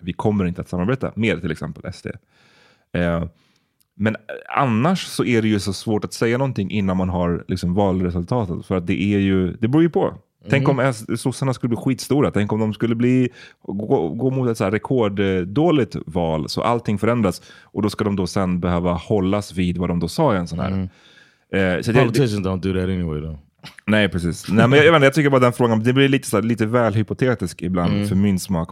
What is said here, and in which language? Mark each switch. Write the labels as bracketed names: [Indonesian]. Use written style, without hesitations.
[Swedish] Vi kommer inte att samarbeta med till exempel SD. Men annars så är det ju så svårt att säga någonting innan man har liksom valresultatet. För att det är ju, det beror ju på. Tänk om sossarna skulle bli skitstora. Tänk om de skulle bli, gå mot ett så här rekorddåligt val. Så allting förändras. Och då ska de då sen behöva hållas vid vad de då sa i en sån här. [English] Politicians don't do that anyway though. [Swedish] Nej, precis. Nej, men jag tycker bara den frågan, det blir lite, så här, lite väl hypotetisk ibland för min smak.